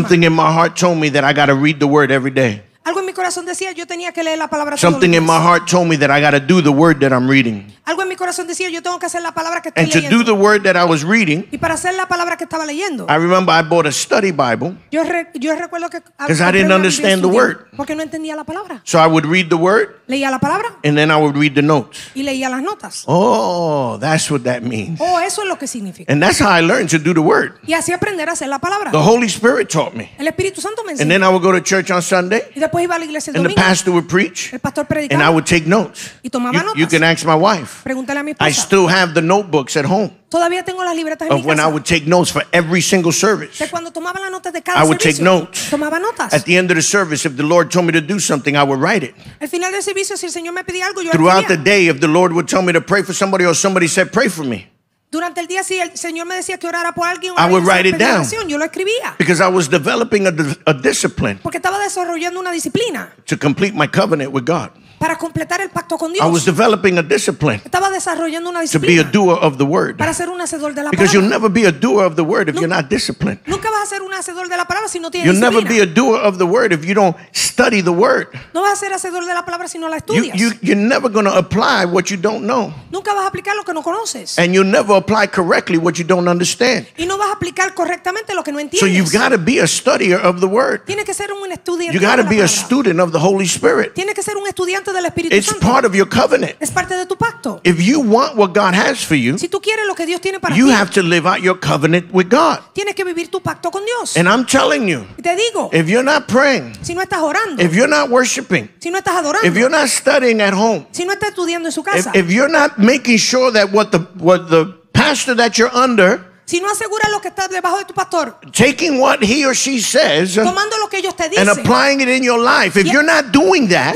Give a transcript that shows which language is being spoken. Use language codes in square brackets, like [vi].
[en] Something in my heart told me that I got to read the word every day. [es] Algo en mi corazón decía yo tenía que leer la palabra todos [en] Something [es] los días. [en] In my heart told me that I got to do the word that I'm reading. [es] Algo en mi corazón decía yo tengo que hacer la palabra que estoy [en] And to do the word that I was reading. [es] Y para hacer la palabra que estaba leyendo. [en] I remember I bought a study Bible. [es] Yo recuerdo que [en] Because I didn't understand the word. [es] Porque no entendía la palabra. [en] So I would read the word. [es] Leía la palabra. [en] And then I would read the notes. [es] Y leía las notas. [en] Oh, that's what that means. [es] Oh, eso es lo que significa. [en] And that's how I learned to do the word. [es] Y así aprender a hacer la palabra. [en] The Holy Spirit taught me. [es] El Espíritu Santo me enseñó. [en] And then I would go to church on Sunday. And the pastor would preach, and I would take notes. You can ask my wife. I still have the notebooks at home. [es] Todavía tengo las libretas en mi casa. [en] Of when I would take notes for every single service. [es] De cuando tomaba las notas de cada [en] I would [es] servicio, [en] take notes. [es] Tomaba notas. [en] At the end of the service, if the Lord told me to do something, I would write it. [es] Al final del servicio, si el Señor me pedía algo, yo [en] Throughout the day, if the Lord would tell me to pray for somebody or somebody said, pray for me. [es] Durante el día si el Señor me decía que orara por alguien, [en] I would write it down. [es] Yo lo escribía. [en] Because I was developing a discipline. [es] Porque estaba desarrollando una disciplina. [en] To complete my covenant with God. [es] para completar el pacto con Dios. [en] I was developing a discipline. [es] Estaba desarrollando una disciplina. [en] To be a doer of the word. [es] Para ser un hacedor de la palabra. [en] Because you'll never be a doer of the word if you're not disciplined. [es] Nunca vas a ser un hacedor de la palabra si no tienes disciplina. [en] You'll never be a doer of the word if you don't study the word. [es] No vas a ser hacedor de la palabra si no la estudias. [en] You're never going to apply what you don't know. [es] Nunca vas a aplicar lo que no conoces. [en] And you'll never apply correctly what you don't understand. [es] Y no vas a aplicar correctamente lo que no entiendes. [en] So you've got to be a studier of the word. [es] Tienes que ser un estudiante. [en] You've got to be a student of the Holy Spirit. [es] Tienes que ser un estudiante del Espíritu [en] Santo. It's part of your covenant. [es] Es parte de tu pacto. [en] If you want what God has for you, [es] si tú quieres lo que Dios tiene para [en] you [es] ti, [en] have to live out your covenant with God. [es] Tienes que vivir tu pacto con Dios. [en] And I'm telling you, [es] te digo, [en] if you're not praying, [es] si no estás orando, [en] if you're not worshiping, [es] si no estás adorando, [en] if you're not studying at home, [es] si no estás estudiando en su casa, [en] if you're not making sure that what the pastor that you're under, [es] si no aseguras lo que está debajo de tu pastor, [en] taking what he or she says, [es] tomando lo que ellos te dicen, [en] and applying it in your life, if you're not doing that,